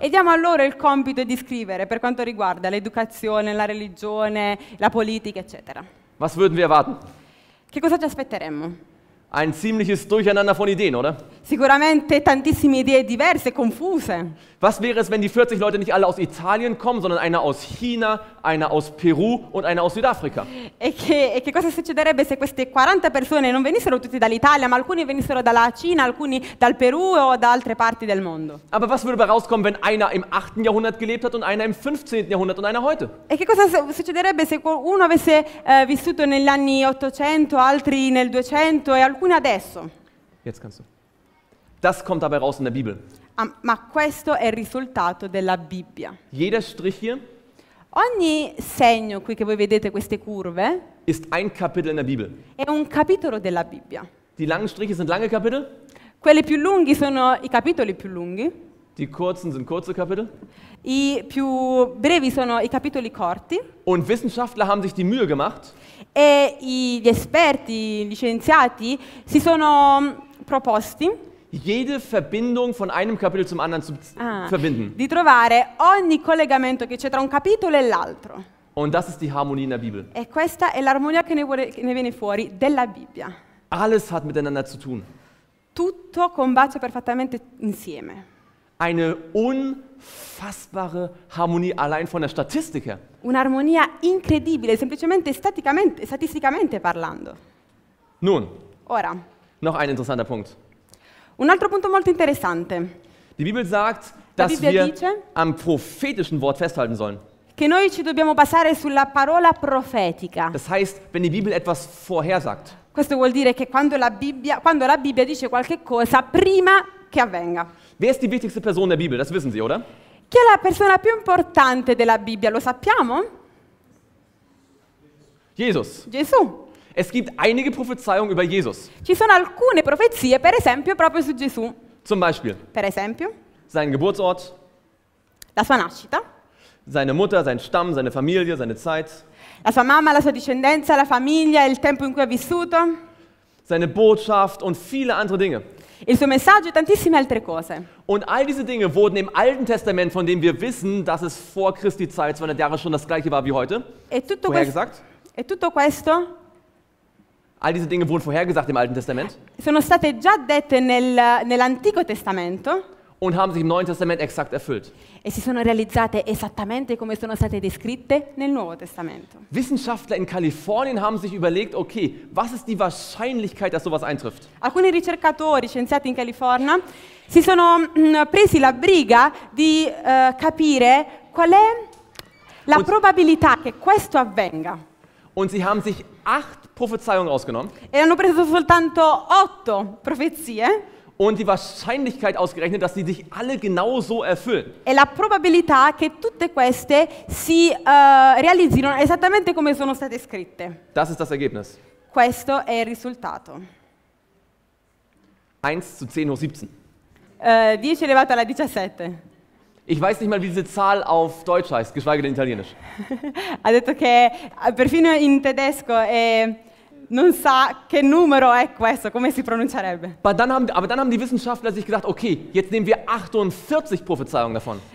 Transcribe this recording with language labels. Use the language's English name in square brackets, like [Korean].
[Italian] E diamo a loro il compito di scrivere per quanto riguarda l'educazione, la religione, la politica, eccetera. [German] Was würden wir erwarten? [Italian] Che cosa ci aspetteremmo? [German] ein ziemliches Durcheinander von Ideen, oder? [Italian] Sicuramente tantissime idee diverse, confuse. [German] Was wäre es, wenn die 40 Leute nicht alle aus Italien kommen, sondern einer aus China, einer aus Peru und einer aus Südafrika? [Italian] E che cosa succederebbe se queste 40 persone non venissero tutti dall'Italia, ma alcuni venissero dalla Cina, alcuni dal Peru o da altre parti del mondo? [German] Aber was würde rauskommen, wenn einer im 8. Jahrhundert gelebt hat und einer im 15. Jahrhundert und einer heute? [Italian] E che cosa succederebbe se uno avesse vissuto negli anni 800, altri nel 200 e alcuni adesso? [German] Jetzt kannst du. Das kommt dabei raus in der Bibel. [Italian] Ma questo è il risultato della Bibbia. [German] Jeder Strich hier. [Italian] Ogni segno qui che voi vedete queste curve. [German] Ist ein Kapitel in der Bibel. [Italian] È un capitolo della Bibbia. [German] Die langen Striche sind lange Kapitel. [Italian] Quelli più lunghi sono i capitoli più lunghi. [German] Die kurzen sind kurze Kapitel. [Italian] I più brevi sono i capitoli corti. [German] Und Wissenschaftler haben sich die Mühe gemacht. [Italian] E gli esperti, gli scienziati, si sono proposti. [German] Jede Verbindung von einem Kapitel zum anderen zu verbinden. [Italian] Di trovare ogni collegamento che c'è tra un capitolo e l'altro. [German] Und das ist die Harmonie in der Bibel. [Italian] E questa è l'armonia che ne viene fuori della Bibbia. [German] Alles hat miteinander zu tun. [Italian] Tutto combacia perfettamente insieme. [German] Eine unfassbare Harmonie allein von der Statistik her. [Italian] Un'armonia incredibile, semplicemente statisticamente parlando. [German] Nun. [Italian] Ora. [German] Noch ein interessanter Punkt. [Italian] Un altro punto molto interessante. [German] Die Bibel sagt, dass wir am prophetischen Wort festhalten sollen. [Italian] Che noi ci dobbiamo basare sulla parola profetica. [German] Das heißt, wenn die Bibel etwas vorhersagt. [Italian] Questo vuol dire che quando la Bibbia dice qualche cosa prima che avvenga. [German] Wer ist die wichtigste Person der Bibel? Das wissen Sie, oder? [Italian] Chi è la persona più importante della Bibbia? Lo sappiamo? [German] Jesus. [Italian] Gesù. [German] Es gibt einige Prophezeiungen über Jesus. [Italian] Ci sono alcune profezie, per esempio, proprio su Gesù. [German] Zum Beispiel. [Italian] Per esempio. [German] Sein Geburtsort. [Italian] La sua nascita. [German] Seine Mutter, sein Stamm, seine Familie, seine Zeit. [Italian] La sua mamma, la sua discendenza, la famiglia, il tempo in cui ha vissuto. [German] Seine Botschaft und viele andere Dinge. [Italian] Il suo messaggio e tantissime altre cose. [German] Und all diese Dinge wurden im Alten Testament, von dem wir wissen, dass es vor Christi Zeit 200 Jahre schon das gleiche war wie heute. [Italian] E tutto questo. [German] All diese Dinge wurden vorhergesagt im Alten Testament. [Italian] Sono state già dette nell'Antico Testamento. [German] Und haben sich im Neuen Testament exakt erfüllt. [Italian] E si sono realizzate esattamente come sono state descritte nel Nuovo Testamento. [German] Wissenschaftler in Kalifornien haben sich überlegt, okay, was ist die Wahrscheinlichkeit, dass sowas eintrifft? [Italian] Alcuni ricercatori, scienziati in California, si sono presi la briga di capire qual è la probabilità che questo avvenga. [German] Und sie haben sich 8 Prophezeiungen ausgenommen. [Italian] E hanno preso soltanto 8 profezie. [German] Und die Wahrscheinlichkeit ausgerechnet, dass sie sich alle genauso erfüllen. [Italian] E la probabilità che tutte queste si realizzino esattamente come sono state scritte. [German] Das ist das Ergebnis. [Italian] Questo è il risultato. [German] 1 zu 10 hoch 17. [Italian] 10 elevato alla 17. [German] Ich weiß nicht mal, wie diese Zahl auf Deutsch heißt, geschweige denn Italienisch. [Italian] Ha detto che perfino in tedesco non sa che numero è questo, come si pronuncierebbe. [German] Aber dann haben die Wissenschaftler sich gedacht, okay, jetzt nehmen wir 48 Prophezeiungen davon.